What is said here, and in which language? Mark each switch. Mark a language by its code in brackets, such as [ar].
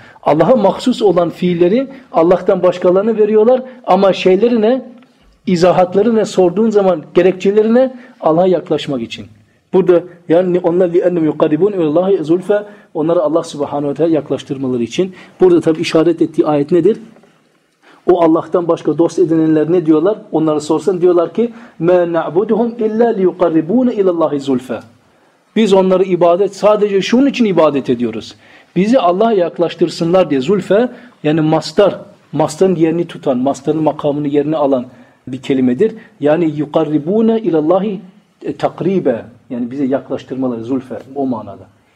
[tr] Allah'a mahsus olan fiilleri Allah'tan başkalarına veriyorlar ama şeylerine, izahatlarına sorduğun zaman gerekçelerine Allah'a yaklaşmak için. Burada yani onlar [ar] لِأَنَّمْ يُقَرِبُونَ اِلَى اللّٰهِ زُلْفَى [tr] onları Allah subhanahu wa ta'ya yaklaştırmaları için. Burada tabi işaret ettiği ayet nedir? O Allah'tan başka dost edinenler ne diyorlar? Onları sorsan diyorlar ki [ar] مَا نَعْبُدُهُمْ اِلَّا لِيُقَرِبُونَ اِلَى اللّٰهِ زُلْفَى. [tr] Biz onları ibadet sadece şunun için ibadet ediyoruz. Bizi Allah'a yaklaştırsınlar diye zulfe yani mastar, mastarın yerini tutan, mastarın makamını yerini alan bir kelimedir. Yani yukarribune ilallahi takribe yani bize yaklaştırmaları zulfe o manada.